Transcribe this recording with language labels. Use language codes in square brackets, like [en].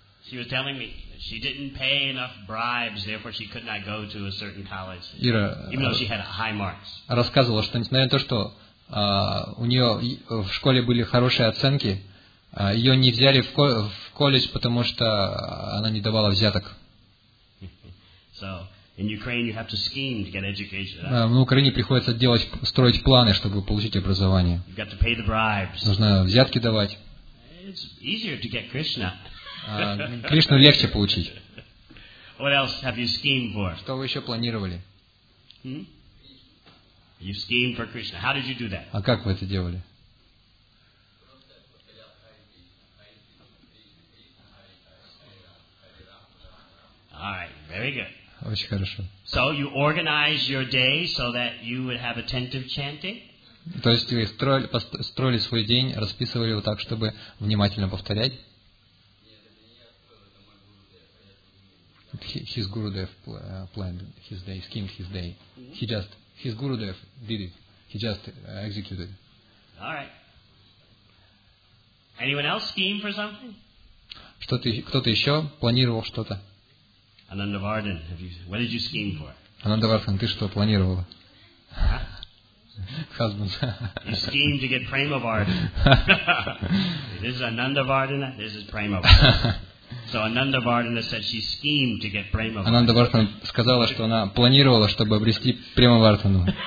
[en] She was telling me she didn't pay enough bribes, therefore she could not go to a certain college. Ira, even though she had high marks. [ru] Рассказывала, что несмотря на то, что у нее в школе были хорошие оценки, ее не взяли в колледж, потому что она не давала взяток. [en] So, in Ukraine, you have to scheme to get education. [ru] На Украине приходится строить планы, чтобы получить образование. [en] You've got to pay the bribes. [ru] Нужно взятки давать. [en] It's easier to get Krishna. [ru] Кришну легче получить. [en] What else have you schemed for? [ru] Что вы еще планировали? [en] You schemed for Krishna. How did you do that? [ru] А как вы это делали? [en] All right. Very good. [ru] Очень хорошо. [en] So you organize your day so that you would have attentive chanting? [ru] То есть вы строили свой день, расписывали его так, чтобы внимательно повторять? [en] His Gurudev planned his day, schemed his day. He just, his Gurudev did it. He just executed. All right. Anyone else scheme for something? [ru] Кто-то еще планировал что-то? [en] Anandavardhan, what did you scheme for? [ru] Anandavardhan, ты что планировала? [en] Husband. You schemed to get Premavardhan. This is Anandavardhan, this is Premavardhan. So Anandavardhan said she schemed to get Premavardhan. [ru] Anandavardhan сказала, что она планировала, чтобы обрести Премавардхану.